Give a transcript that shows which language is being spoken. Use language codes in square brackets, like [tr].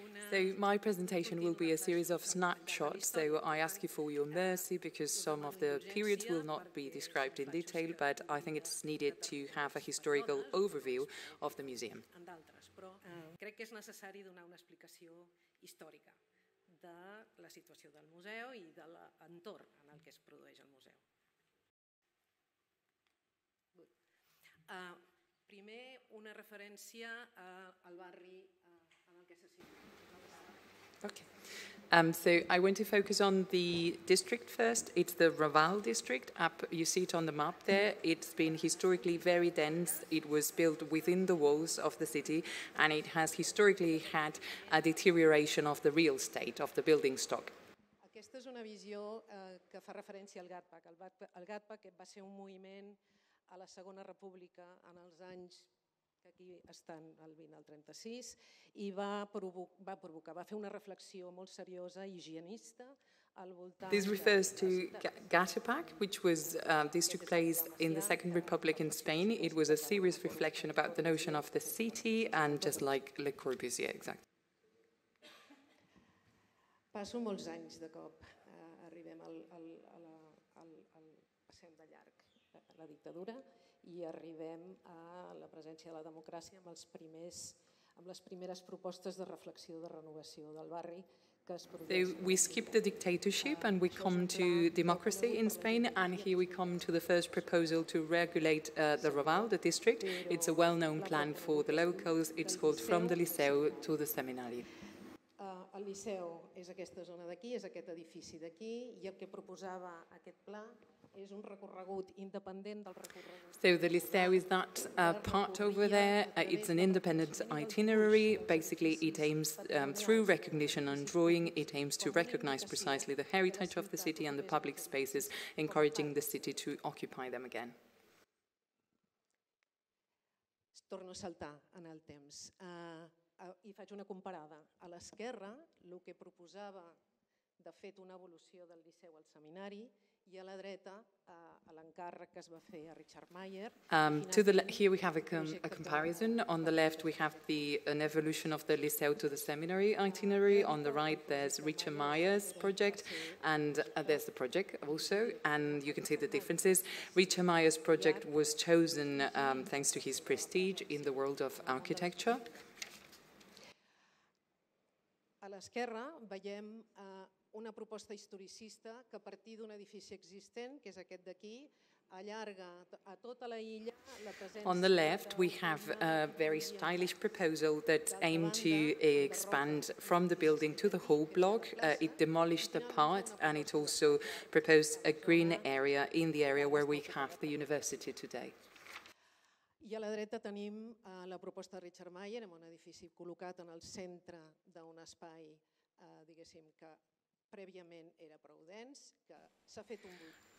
[en] So my presentation will be a series of snapshots, so I ask you for your mercy because some of the periods will not be described in detail, but I think it's needed to have a historical overview of the museum. [ca] Crec que és necessari donar una explicació històrica de la situació del museu i de l'entorn en el que es produeix el museu. Primer, una referència al barri en el que se situa. [en] Okay. So I want to focus on the district first. It's the Raval district. Up, you see it on the map there. It's been historically very dense. It was built within the walls of the city, and it has historically had a deterioration of the real estate, of the building stock. [ca] Aquesta és una visió que fa referència al GATPAC. El GATPAC va ser un moviment a la Segona República en els anys... aquí estan el 20 al 36, i va fer una reflexió molt seriosa i higienista al voltant... [en] This refers to Gatapac, which was this took place in the Second Republic in Spain. It was a serious reflection about the notion of the city and just like Le Corbusier, exactly. [ca] Passo molts anys de cop, arribem al passem de llarg a la dictadura, i arribem a la presència de la democràcia amb les primeres propostes de reflexió de renovació del barri [en] So we skip the dictatorship and we come to democracy in Spain, and here we come to the first proposal to regulate the Raval, the district. It's a well-known plan for the locals. It's called From the Liceu to the Seminary. [ca] El Liceu és aquesta zona d'aquí, és aquest edifici d'aquí, I el que proposava aquest pla és un recorregut independent del recorregut. [en] So the Liceu is that part over there. It's an independent itinerary. Basically, it aims through recognition and drawing, it aims to recognize precisely the heritage of the city and the public spaces, encouraging the city to occupy them again. [ca] Torno a saltar en el temps. I faig una comparada. A l'esquerra, el que proposava, de fet, una evolució del Liceu al Seminari, I a la dreta, a l'encàrrec que es va fer a Richard Mayer. [en] To the here we have a comparison. On the left, we have the an evolution of the Liceu to the Seminary itinerary. On the right, there's Richard Mayer's project, and there's the project also. And you can see the differences. Richard Mayer's project was chosen thanks to his prestige in the world of architecture. [ca] A l'esquerra veiem una proposta historicista que a partir d'un edifici existent, que és aquest d'aquí, allarga a tota la illa la presència. [en] On the left we have a very stylish proposal that aimed to expand from the building to the whole block. It demolished the part and it also proposed a green area in the area where we have the university today. [ca] I a la dreta tenim la proposta de Richard Mayer, amb un edifici col·locat en el centre d'un espai, diguéssim, que prèviament era prou dens, que s'ha fet un buit.